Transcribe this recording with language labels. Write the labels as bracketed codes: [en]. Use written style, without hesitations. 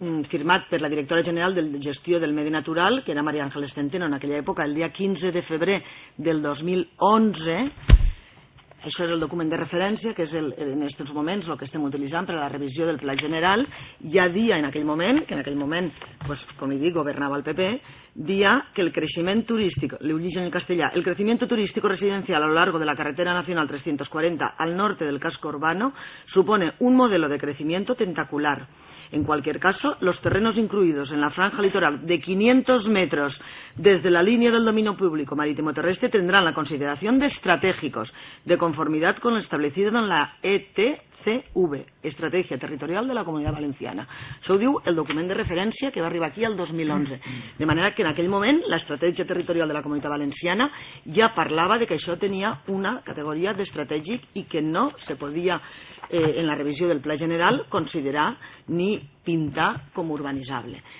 [ca] firmat per la directora general de gestió del medi natural, que era Maria Àngeles Centeno en aquella època, el dia 15 de febrer del 2011, això és el document de referència, que és en aquests moments el que estem utilitzant per a la revisió del pla general, ja dia en aquell moment, que en aquell moment, pues, com li dic, governava el PP, dia que el creixement turístic, li ho llegeixo en castellà, el creixement turístic residencial [es] a lo largo de la carretera nacional 340 al norte del casco urbano supone un modelo de crecimiento tentacular. En cualquier caso, los terrenos incluidos en la franja litoral de 500 metros desde la línea del dominio público marítimo terrestre tendrán la consideración de estratégicos, de conformidad con lo establecido en la ETCV, Estrategia Territorial de la Comunidad Valenciana. [ca] Això ho diu el document de referència que va arribar aquí el 2011. De manera que en aquell moment l'Estratègia Territorial de la Comunitat Valenciana ja parlava de que això tenia una categoria d'estratègic i que no se podia en la revisió del pla general considerar ni pintar com urbanitzable.